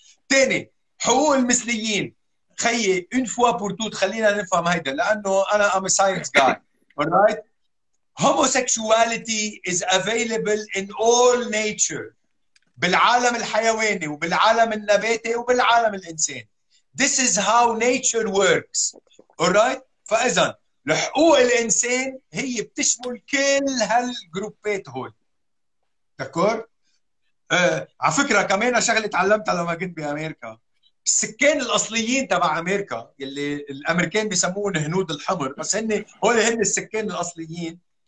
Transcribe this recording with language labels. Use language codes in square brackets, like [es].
[ar] ثاني حقوق المثليين، خيي [fr] اون فوا بور توت [ar] خلينا نفهم هيدا، لانه انا [en] am science guy, [ar] اورايت؟ [en] homosexuality is available in all nature, [ar] بالعالم الحيواني وبالعالم النباتي وبالعالم الانساني. [en] This is how nature works. [ar] اورايت؟ فاذا لحقوق الإنسان هي بتشمل كل هالجروبات هول، دكور؟ على فكرة كمان شغلة تعلمتها لما كنت بأمريكا، السكان الأصليين تبع أمريكا يلي الأمريكان بيسموهم هنود الحمر، بس هن هول هن السكان الأصليين،